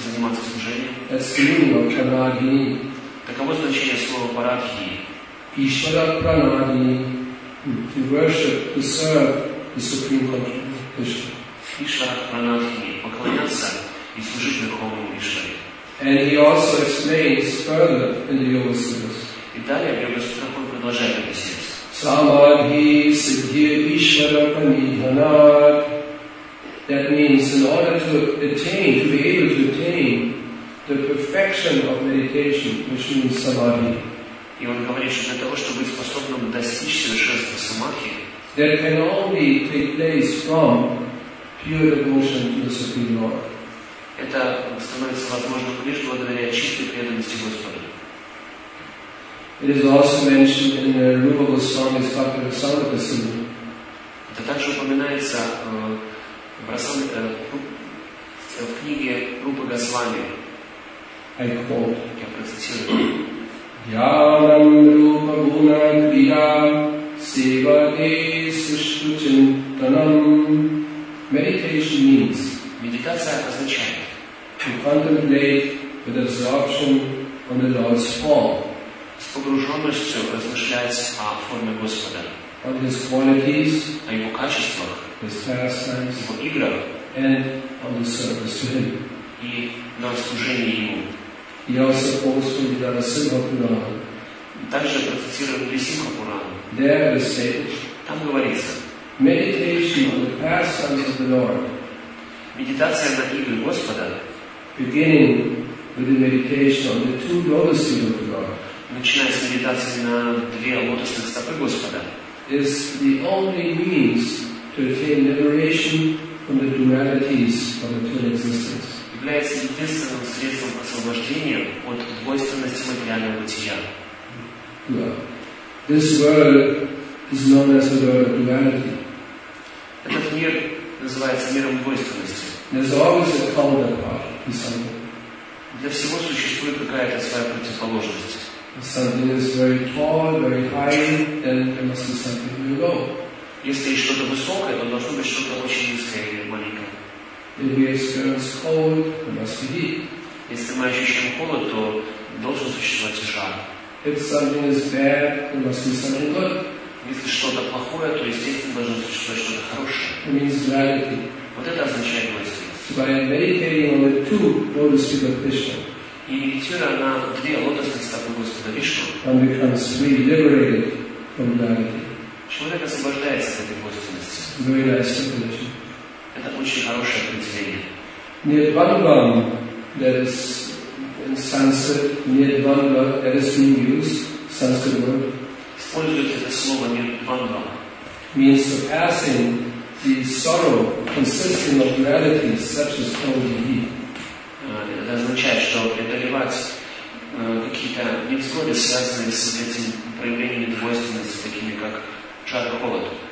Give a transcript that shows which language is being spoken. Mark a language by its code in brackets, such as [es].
[ru] Заниматься служением. [en] That's the meaning of Pranadhini. [ru] Таково значение слова Парадхи. [en] Ишвара Пранадхи. To worship, to serve the Supreme Krishna. [sa] Ишвара Пранадхи. [ru] Поклоняться и служить Верховному Ишваре. [en] And he also explains further in the Yoga Sutras. [ru] И далее в Йога Сутрах он продолжает объяснять. [sa] Samadhi Siddhir Ishvara Panidhanat. [en] That means in order to attain, to be able to attain the perfection of meditation, which means Samadhi. [ru] И он говорит, что для того, чтобы быть способным достичь совершенства Самадхи, [en] that can only take place from pure devotion to the Supreme Lord. [ru] Это становится возможным лишь благодаря чистой преданности Господу. [en] It is also mentioned in the Rupa Goswami's popular Sanatana Sutra. [ru] Это также упоминается в в книге Рупы Госвами. [en] I quote. [ru] Я процитирую. [sa] Дьянам Рупа Гуна Дхия Сива Эйсы Штутин Танам. [en] Meditation means. [ru] Медитация означает. [en] To contemplate with absorption on the Lord's form. [ru] С погруженностью размышлять о форме Господа. [en] On His qualities. [ru] О Его качествах. [en] His pastimes. [ru] Его играх. [en] And on the service to Him. [ru] И на служение Ему. [en] He also quotes from the Narasimha Purana. [ru] Также процитирует Нарасимха Пурану. [en] There it is said. [ru] Там говорится. [en] Meditation on the pastimes of the Lord. [ru] Медитация на игры Господа. [en] Beginning with the meditation on the two lotus feet of the Lord. [ru] Начиная с медитации на две лотосных стопы Господа. [en] Is the only means to attain liberation from the dualities of material existence. [ru] Является единственным средством освобождения от двойственности материального бытия. [en] This world is known as the world of duality. [ru] Этот мир называется миром двойственности. [en] There's always a counterpart in something. [ru] Для всего существует какая-то своя противоположность. [en] Something is very tall, very high, then there must be something very low. [ru] Если есть что-то высокое, то должно быть что-то очень низкое или маленькое. [en] If we experience cold, there must be heat. [ru] Если мы ощущаем холод, то должен существовать жар. [en] If something is bad, there must be something good. [ru] Если что-то плохое, то естественно должно существовать что-то хорошее. [en] It means duality. [ru] Вот это означает двойственность. [en] By meditating on the two lotus feet of Krishna. [ru] И медитируя на две лотосных стопы Господа Вишну. [en] One becomes really liberated from duality. [ru] Человек освобождается от этой двойственности. [en] Very nice definition. [ru] Это очень хорошее определение. [en] Нирванам, that is in Sanskrit, Нирванам, that is being used, Sanskrit word. [ru] Используется это слово Нирванам. [en] Means surpassing the sorrow consisting of realities such as cold and heat. [ru] Это означает, что преодолевать какие-то невзгоды, связанные с этими проявлениями двойственности, такими как жар и холод.